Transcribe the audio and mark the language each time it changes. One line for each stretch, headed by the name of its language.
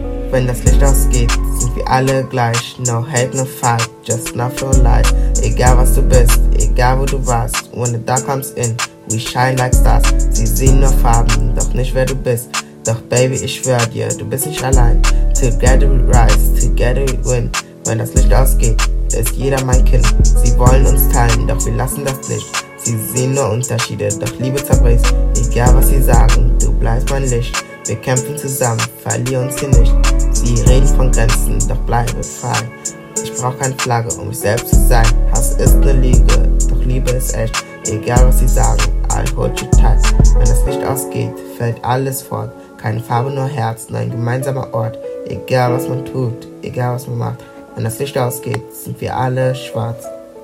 German: Wenn das Licht ausgeht, sind wir alle gleich.
English: No hate, no fight, just love, no light.
German: Egal was du bist, egal wo du warst.
English: When the dark comes in, we shine like stars.
German: Sie sehen nur Farben, doch nicht wer du bist. Doch baby, ich schwör dir, du bist nicht allein.
English: Together we rise, together we win.
German: Wenn das Licht ausgeht, ist jeder mein Kind. Sie wollen uns teilen, doch wir lassen das Licht. Sie sehen nur Unterschiede, doch Liebe zerbricht. Egal was sie sagen, du bleibst mein Licht. Wir kämpfen zusammen, verlier uns hier nicht. Sie reden von Grenzen, doch bleibe frei. Ich brauch keine Flagge, um mich selbst zu sein. Hass ist ne Lüge, doch Liebe ist echt. Egal was sie sagen,
English: I'll hold you tight.
German: Wenn das Licht ausgeht, fällt alles fort. Keine Farbe, nur Herz, nur ein gemeinsamer Ort. Egal was man tut, egal was man macht. Wenn das Licht ausgeht, sind wir alle schwarz.